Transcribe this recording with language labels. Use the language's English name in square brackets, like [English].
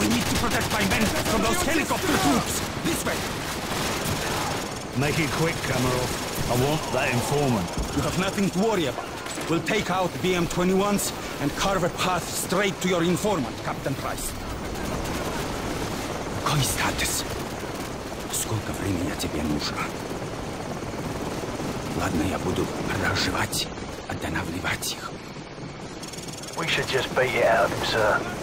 [English] We need to protect my men from those helicopter troops. This way. Make it quick, Kamarov. I want that informant. You have nothing to worry about. We'll take out BM-21s and carve a path straight to your informant, Captain Price. [Russian] Какой статус? Сколько времени тебе нужно? Ладно, я буду разживать, останавливать их. [English] We should just beat it out of him, sir.